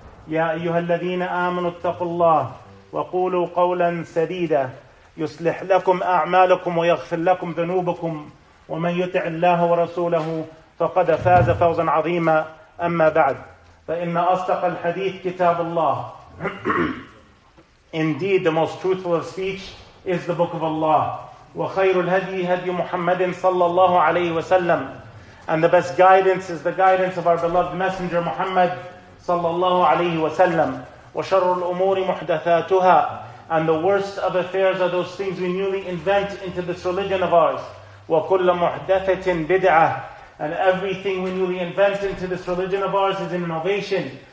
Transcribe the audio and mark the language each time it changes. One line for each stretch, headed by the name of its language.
Arabic: يا أيها الذين آمنوا اتقوا الله وقولوا قولا سديدا يصلح لكم أعمالكم ويغفر لكم ذنوبكم ومن يطع الله ورسوله فقد فاز فوزا عظيما. أما بعد فإن أصدق الحديث كتاب الله.
English: Indeed the most truthful of speech is the book of Allah.
Arabic: وخير الهدي هدي محمد صلى الله عليه وسلم.
English: And the best guidance is the guidance of our beloved messenger Muhammad
Arabic: صلى الله عليه وسلم. وشر الأمور محدثاتها.
English: And the worst of affairs are those things we newly invent into this religion of ours.
Arabic: وكل محدثة بدعة.
English: And everything we newly invent into this religion of ours is an innovation.